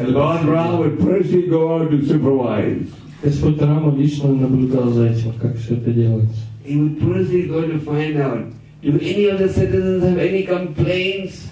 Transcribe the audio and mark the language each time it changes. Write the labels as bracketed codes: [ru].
[en] And Lord Ram would personally go out to supervise. [ru] Господь Рама лично наблюдал за этим, как все это делается. [en] He would personally go to find out, do any of the citizens have any complaints?